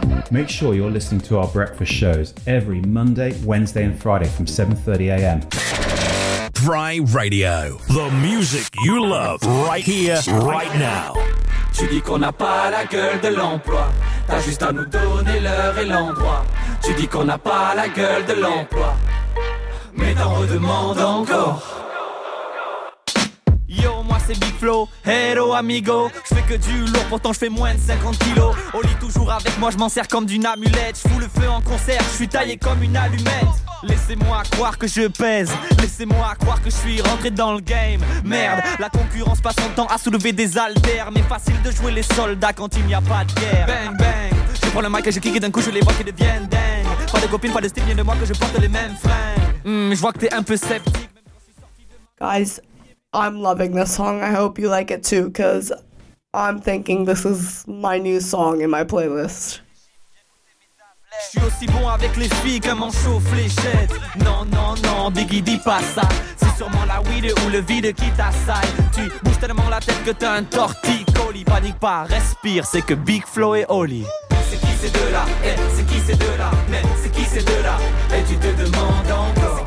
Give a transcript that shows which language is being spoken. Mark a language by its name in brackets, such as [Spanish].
[English] Make sure you're listening to our breakfast shows every Monday, Wednesday and Friday from 7:30 a.m. Bri Radio, the music you love, right here, right now. [French] Tu dis qu'on n'a pas la gueule de l'emploi, t'as juste à nous donner l'heure et l'endroit. Tu dis qu'on n'a pas la gueule de l'emploi, mais t'en redemandes encore. Yo, moi c'est Big Flo, hello amigo. J'fais que du lourd, pourtant j'fais moins de 50 kilos. Au lit toujours avec moi, j'm'en sers comme d'une amulette. J'fous le feu en concert, j'suis taillé comme une allumette. Laissez-moi croire que je pèse. Laissez-moi croire que je suis rentré dans le game. Merde, la concurrence passe son temps à soulever des haltères. Mais facile de jouer les soldats quand il n'y a pas de guerre. Bang bang, je prends le mic et je kick et d'un coup je les vois qui deviennent dingues. Pas de copine, pas de style, viens de moi que je porte les mêmes fringues. Je vois que t'es un peu sceptique. [English] Guys, I'm loving this song. I hope you like it too, cause I'm thinking this is my new song in my playlist. [French] Je suis aussi bon avec les filles qu'un manchot fléchette. Non, non, non, Biggie, dis pas ça. Si sûrement la weed ou le vide qui t'assaille. Tu bouges tellement la tête que t'as un torticolis. Panique pas, respire, c'est que Big Flo et Oli. C'est qui ces deux là, hey, c'est qui ces deux là, mais c'est qui ces deux là, et tu te demandes encore.